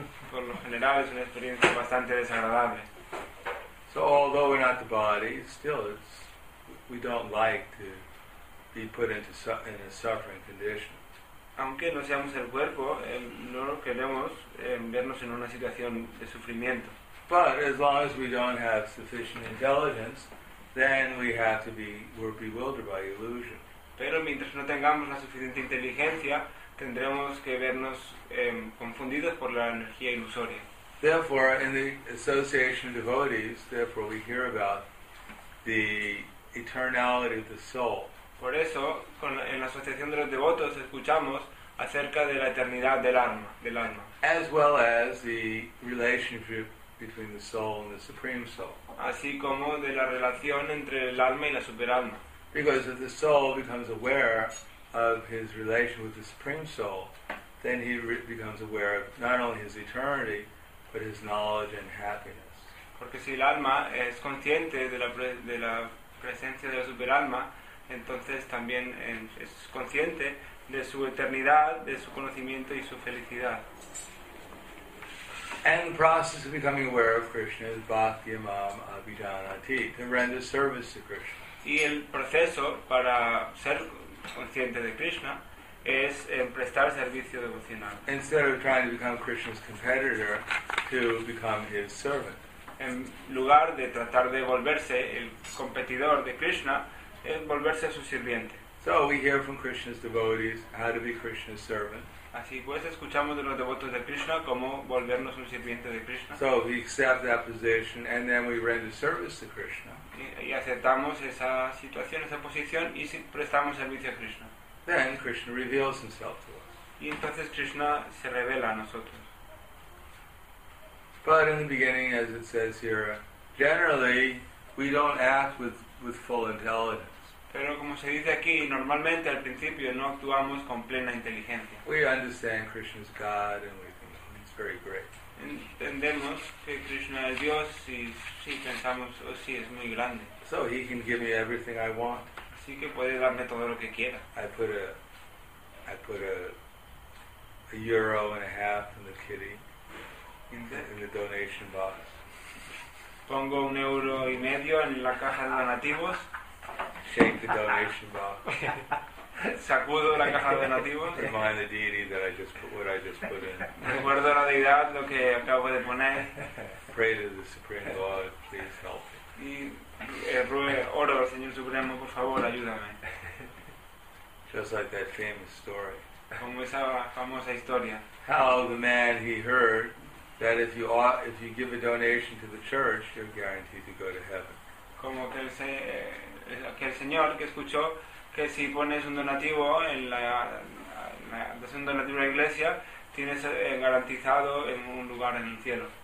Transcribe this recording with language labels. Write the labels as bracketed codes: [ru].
[es] Por lo general es una experiencia bastante desagradable. [en] So although we're not the body, still it's we don't like to be put into in a suffering condition. [es] Aunque no seamos el cuerpo, no queremos vernos en una situación de sufrimiento. [en] But as long as we don't have sufficient intelligence, then we have to be we're bewildered by illusion. [es] Pero mientras no tengamos la suficiente inteligencia, tendremos que vernos confundidos por la energía ilusoria. [en] Therefore, in the association of devotees, therefore we hear about the eternality of the soul. [es] Por eso, en la asociación de los devotos, escuchamos acerca de la eternidad del alma. [en] As well as the relationship between the soul and the supreme soul. [es] Así como de la relación entre el alma y la superalma. [en] Because if the soul becomes aware of his relation with the supreme soul, then he becomes aware of not only his eternity, but his knowledge and happiness. [es] Porque si el alma es consciente de la presencia de la superalma, entonces también es consciente de su eternidad, de su conocimiento y su felicidad. [en] And the process of becoming aware of Krishna is [sa] bhakti imam abhidhanati, [en] to render service to Krishna. [es] Y el proceso para ser consciente de Krishna es prestar servicio devocional. [en] Instead of trying to become Krishna's competitor, to become his servant. [es] En lugar de tratar de volverse el competidor de Krishna, es volverse su sirviente. [en] So we hear from Krishna's devotees how to be Krishna's servant. [es] Así pues, escuchamos de los devotos de Krishna cómo volvernos un sirviente de Krishna. [en] So we accept that position and then we render service to Krishna. [es] Y aceptamos esa situación, esa posición y prestamos servicio a Krishna. [en] Then Krishna reveals himself to us. [es] Y entonces Krishna se revela a nosotros. [en] But in the beginning, as it says here, generally we don't act with full intelligence. [es] Pero como se dice aquí, normalmente al principio no actuamos con plena inteligencia. [en] We understand Krishna's God and we think he's very great. [es] Entendemos que Krishna es Dios y sí pensamos, oh sí, es muy grande. [en] So he can give me everything I want. [es] Así que puede darme todo lo que quiera. [en] I put a euro and a half in the kitty, in the donation box. [es] Pongo un euro y medio en la caja de donativos. [en] Shake the donation box. [es] Sacudo la caja de donativos. [en] Remind the deity that I just put in. [es] Recuerdo la deidad lo que acabo de poner. [en] Pray to the Supreme Lord, please help me. [es] Y oro al Señor Supremo, por favor, ayúdame. [en] Just like that famous story. [es] Como esa famosa historia. [en] How the man he heard that if you give a donation to the church, you're guaranteed to go to heaven. [es] Como que el señor que escuchó que si pones un donativo en la iglesia tienes garantizado en un lugar en el cielo.